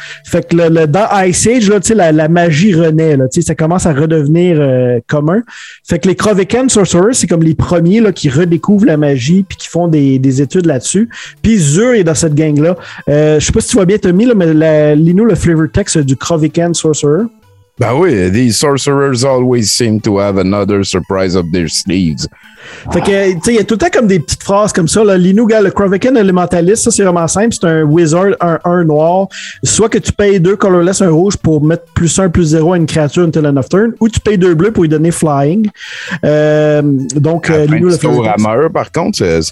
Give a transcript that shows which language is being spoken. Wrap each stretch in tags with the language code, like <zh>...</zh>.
<fr>Fait que le dans Ice Age, là, la magie renaît, là, ça commence à redevenir commun. Fait que les Krovican Sorcerers, c'est comme les premiers là, qui redécouvrent la magie puis qui font des études là-dessus. Puis Zur est dans cette gang-là. Je sais pas si tu vois bien Tommy, là, mais lis-nous le flavor text du Krovican Sorcerer. Ben oui,</fr> <en>these sorcerers always seem to have another surprise up their sleeves.</en> <fr>Fait que, tu sais, il y a tout le temps comme des petites phrases comme ça. L'Inu, gars, le Krovican Elementalist, ça, c'est vraiment simple. C'est un wizard, un noir. Soit que tu payes deux colorless, un rouge pour mettre plus un, plus zéro à une créature until end of turn, ou tu payes deux bleus pour lui donner flying. Donc, L'Inu, le fait. Rameur, par contre, c'est.</fr>